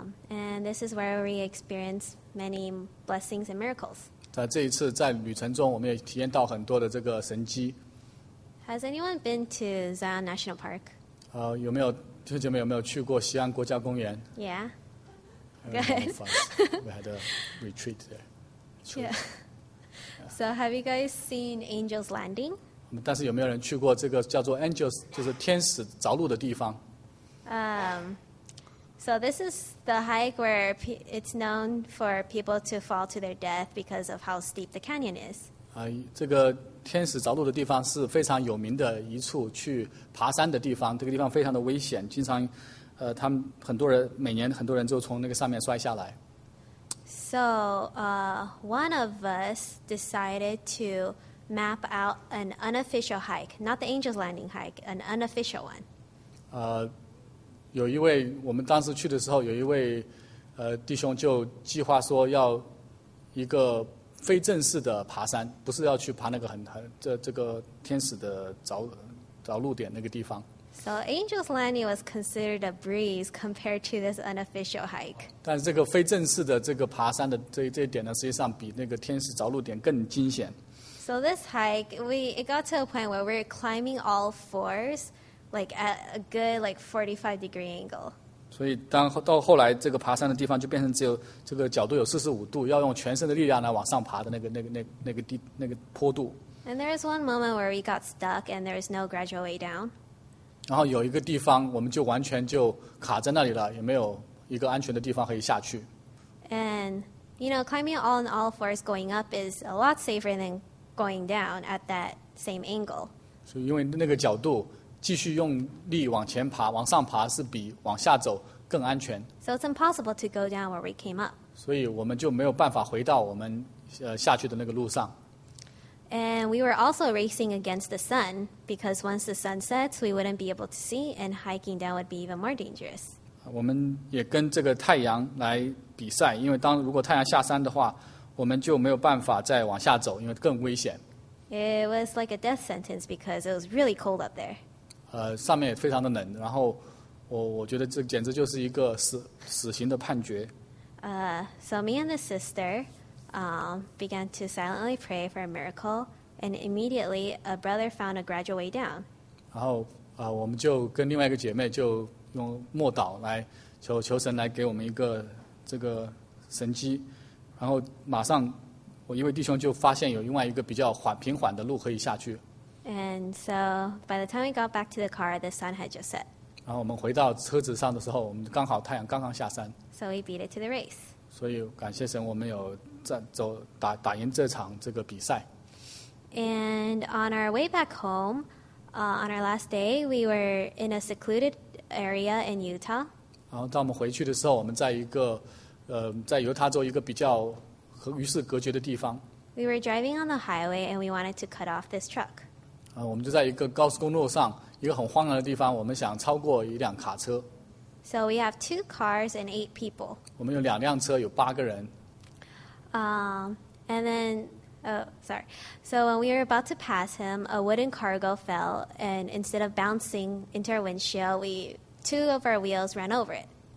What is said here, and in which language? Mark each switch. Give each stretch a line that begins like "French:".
English: And this is where we experience many blessings and miracles.
Chinese: 在这一次在旅程中，我们也体验到很多的这个神迹。
English: Has anyone been to Zion National Park?
Chinese: 有没有弟兄姐妹有没有去过锡安国家公园
English: ？Yeah. Guys, we had a retreat there. Yeah. Yeah. So have you guys seen Angel's Landing?
Chinese: 但是有没有人去过这个叫做 Angels， 就是天使着陆的地方
English: So this is the hike where it's known for people to fall to their death because of how steep the canyon is.
Chinese: 这个天使着陆的地方是非常有名的一处去爬山的地方，这个地方非常的危险，经常他们很多人每年很多人就从那个上面摔下来。
English: So, one of us decided to map out an unofficial hike, not the Angel's Landing hike, an unofficial one.
Chinese: 有一位我们当时去的时候有一位弟兄就计划说要一个非正式的爬山，不是要去爬那个这个天使的着陆点那个地方。
English: So Angel's Landing was considered a breeze compared to this unofficial hike.
Chinese: 但是这个非正式的这个爬山的这一点呢，实际上比那个天使着陆点更惊险。
English: So this hike, it got to a point where we're climbing all fours. Like at a good like 45 degree angle.
Chinese: 所以当到后来这个爬山的地方就变成只有这个角度有45度，要用全身的力量来往上爬的那个坡度。
English: And there is one moment where we got stuck, and there is no gradual way down.
Chinese: 然后有一个地方我们就完全就卡在那里了，也没有一个安全的地方可以下去。
English: And you know, climbing on all fours going up is a lot safer than going down at that same angle.
Chinese: 所以因为那个角度。继续用力往前爬，往上爬是比往下走更安全。
English: So it's impossible to go down where we came up.
Chinese: 所以我们就没有办法回到我们下去的那个路上。
English: And we were also racing against the sun because once the sun sets, we wouldn't be able to see, and hiking down would be even more dangerous.
Chinese: 我们也跟这个太阳来比赛，因为如果太阳下山的话，我们就没有办法再往下走，因为更危险。
English: It was like a death sentence because it was really cold up there.
Chinese: 上面也非常的冷，然后我觉得这简直就是一个死刑的判决。
English: So me and the sister began to silently pray for a miracle, and immediately a brother found a gradual way down.
Chinese: 然后我们就跟另外一个姐妹就用默祷来求神来给我们一个这个神迹，然后马上我一位弟兄就发现有另外一个比较平缓的路可以下去。
English: And so by the time we got back to the car, the sun had just set.
Chinese: 然后我们回到车子上的时候，我们刚好太阳刚刚下山。
English: So we beat it to the race.
Chinese: 所以感谢神，我们有打赢这场这个比赛。
English: And on our way back home, on our last day, we were in a secluded area in Utah.
Chinese: 然后当我们回去的时候，我们在一个在犹他州一个比较和与世隔绝的地方。
English: We were driving on the highway and we wanted to cut off this truck.
Chinese: 我们就在一个高速公路上，一个很荒凉的地方，我们想超过一辆卡车。
English: So we have 2 cars and 8 people.
Chinese: 我们有两辆车，有8个人。
English: And then, So when we were about to pass him, a wooden cargo fell, and instead of bouncing into our windshield, two of our wheels ran over it.